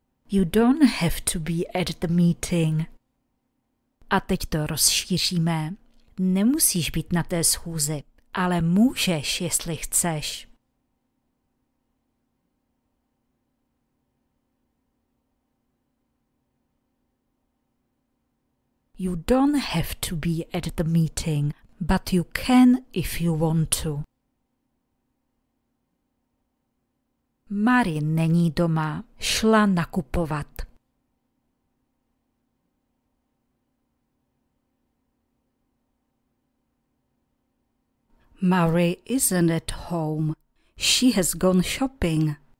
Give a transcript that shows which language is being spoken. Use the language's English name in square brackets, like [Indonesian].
[English] You don't have to be at the meeting. [Czech] A teď to rozšíříme. Nemusíš být na té schůzi, ale můžeš, jestli chceš. [English] You don't have to be at the meeting, but you can if you want to. [Czech] Mary není doma, šla nakupovat. [English] Mary isn't at home. She has gone shopping.